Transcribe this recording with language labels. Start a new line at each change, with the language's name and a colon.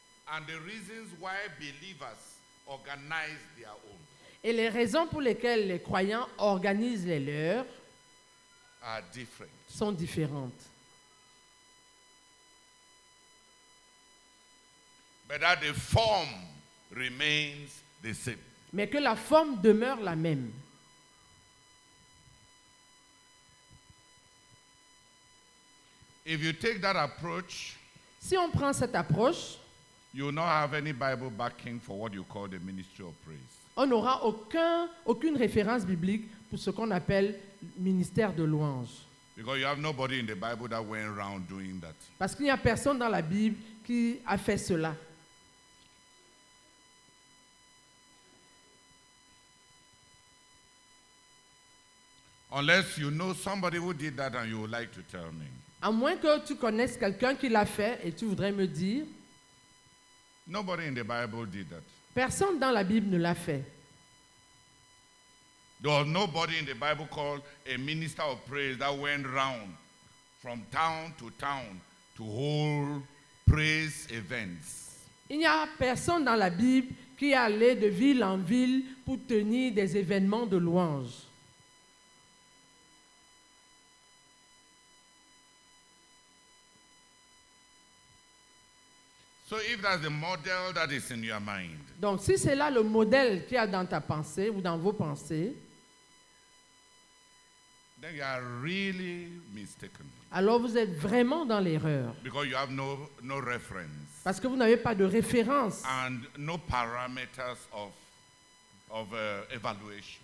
English: And the reasons why believers organize their own.
French: Et les raisons pour lesquelles les croyants organisent les leurs
English: are different.
French: Sont différentes.
English: But that the form remains the same.
French: Mais que la forme demeure la même.
English: If you take that approach,
French: si on prend cette approche,
English: you will not have any Bible backing for what you call the ministry of praise.
French: On n'aura aucune référence biblique pour ce qu'on appelle ministère de louange.
English: Because you have nobody in the Bible that went around doing that.
French: Parce qu'il n'y a personne dans la Bible qui a fait cela.
English: Unless you know somebody who did that and you would like to tell me.
French: À moins que tu connaisses quelqu'un qui l'a fait et tu voudrais me dire.
English: Nobody in the Bible did that.
French: Personne dans la Bible ne l'a fait.
English: There was nobody in the Bible called a minister of praise that went round from town to hold praise events.
French: Il n'y a personne dans la Bible qui allait de ville en ville pour tenir des événements de louange.
English: So if that's the model that is in your mind,
French: donc si c'est là le modèle qu'il y a dans ta pensée ou dans vos pensées,
English: then you are really mistaken.
French: Alors vous êtes vraiment dans l'erreur.
English: Because you have no reference.
French: Parce que vous n'avez pas de référence.
English: And no parameters of evaluation.